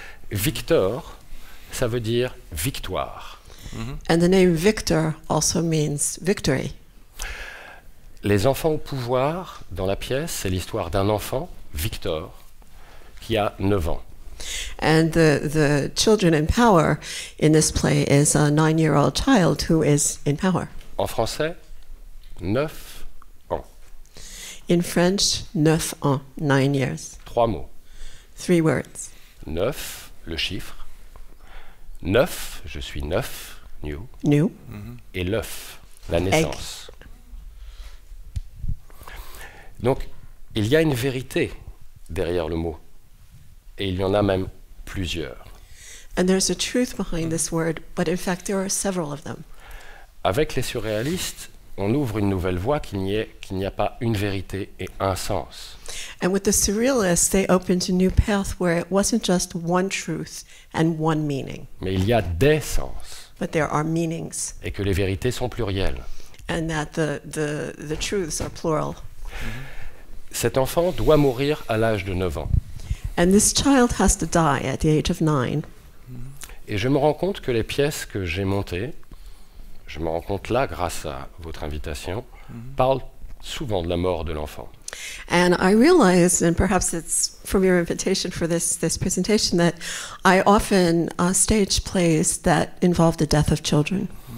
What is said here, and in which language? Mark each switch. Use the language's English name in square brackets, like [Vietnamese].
[French] Victor, ça veut dire victoire. Mm-hmm. [English] And the name Victor also means victory. [French] Les enfants au pouvoir dans la pièce, c'est l'histoire d'un enfant, Victor, qui a 9 ans. [English] And the children in power in this play is a 9-year-old child who is in power. [French] En français, 9 ans. [English] In French, [French] 9 ans, [English] 9 years. [French] Trois mots. [English] Three words. [French] 9, le chiffre. 9, je suis 9, new. [English] New. Mm-hmm. [French] Et l'œuf, la naissance. [English] Egg. [French] Donc, il y a une vérité derrière le mot. Et il y en a même plusieurs. [English] And there's a truth behind this word, but in fact there are several of them. [French] Avec les surréalistes, on ouvre une nouvelle voie qu'il n'y a pas une vérité et un sens. [English] And with the surrealists, they opened a new path where it wasn't just one truth and one meaning. [French] Mais il y a des sens. [English] But there are meanings. [French] Et que les vérités sont plurielles. [English] And that the truths are plural. [French] Cet enfant doit mourir à l'âge de 9 ans. [English] And this child has to die at the age of 9. [French] Et je me rends compte que les pièces que j'ai montées, je me rends compte là grâce à votre invitation, parlent souvent de la mort de l'enfant. [English] And I realize, and perhaps it's from your invitation for this presentation, that I often stage plays that involve the death of children.